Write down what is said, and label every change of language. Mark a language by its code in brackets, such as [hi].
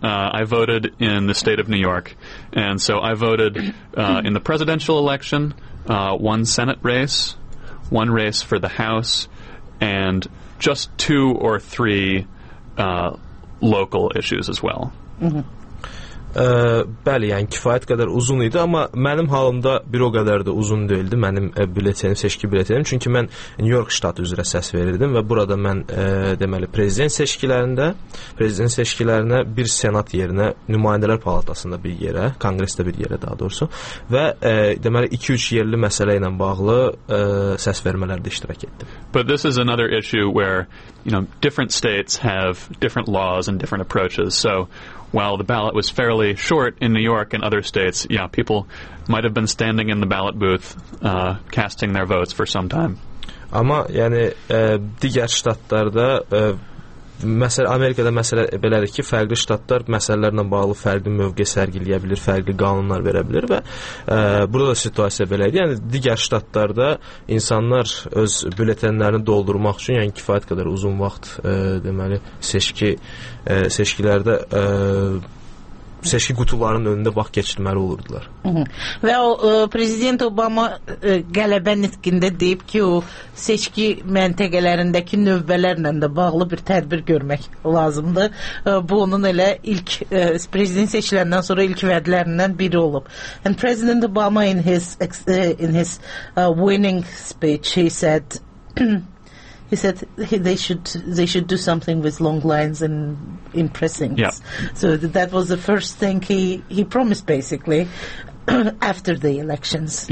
[en] I voted in the state of New York, and so I voted in the presidential election, one Senate race, one race for the House, and just two or three local issues as well. [az] Bəli, yəni kifayət qədər uzun idi, amma mənim halımda bir o qədər də uzun deyildi mənim bülletenim, seçki bülletenim. Çünki mən New York ştatı üzrə səs verirdim və burada mən deməli prezident seçkilərinə bir senat yerinə, nümayəndələr palatasında bir yerə, kongresdə bir yerə daha doğrusu və deməli 2-3 yerli məsələ ilə bağlı səs vermələrdə iştirak etdim. [en] But this is another issue where, you know, different states have different laws and different approaches. So while the ballot was fairly short in New York and other states, yeah, people might have been standing in the ballot booth casting their votes for some time. [az] Amma yani digər ştatlarda məsələ Amerikada məsələ belədir ki, fərqli ştatlar məsələlərlə bağlı fərqli mövqe sərgiləyə bilər, fərqli qanunlar verə bilər və burada da situasiya belə idi. Yəni digər ştatlarda insanlar öz bülletenlərini doldurmaq üçün yəni kifayət qədər uzun vaxt deməli seçkilərdə seçki qutularının önündə vaxt keçirməli olurdular. Və o prezident Obama qələbə nitqində deyib ki, o seçki məntəqələrindəki növbələrlə də bağlı bir tədbir görmək lazımdır. Bu onun elə ilk prezident seçiləndən sonra ilk vədlərindən biri olub. [en] And President Obama in his winning speech he said they should do something with long lines in precincts. Yeah. So that was the first thing he promised, basically, after the elections.